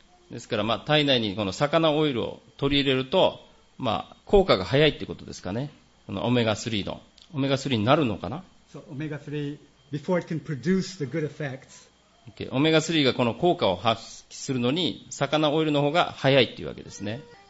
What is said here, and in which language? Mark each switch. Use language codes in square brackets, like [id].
[ja] ですから、まあ、体内にこの魚オイルを取り入れると、まあ、効果が早いということですかね。このオメガ3の。オメガ3になるのかな。 [en] So, omega-3, before it can produce the good effects. [ja] Okay、オメガ3がこの効果を発揮するのに魚オイルの方が早いというわけですね。